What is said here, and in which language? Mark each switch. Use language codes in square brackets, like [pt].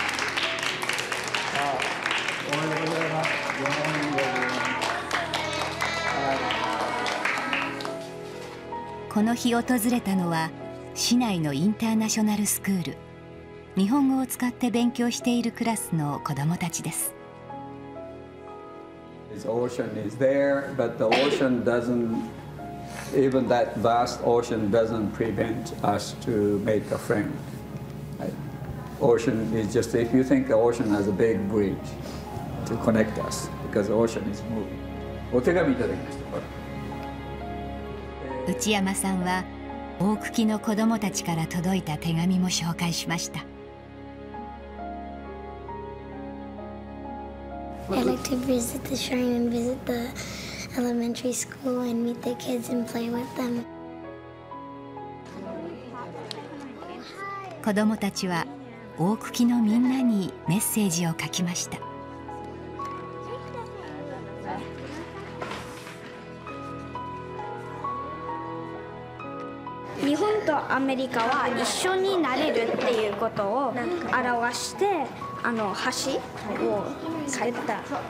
[ja] おめでとうございます。この日訪れたのは市内のインターナショナルスクール、日本語を使って勉強しているクラスの子どもたちです。 [en] Ocean is there, but the ocean doesn't, even that vast ocean doesn't prevent us to make a friend. Ocean is just, if you think the ocean has a big bridge to connect us, because the ocean is moving. [ja] お手紙いただきました。内山さんは大久喜の子どもたちから届いた手紙も紹介しました。 [en] I like to visit the shrine and visit the elementary school and meet the kids and play with them. [ja] 子どもたちは大久喜のみんなにメッセージを書きました。日本とアメリカは一緒になれるっていうことを表して、あの橋を描いた。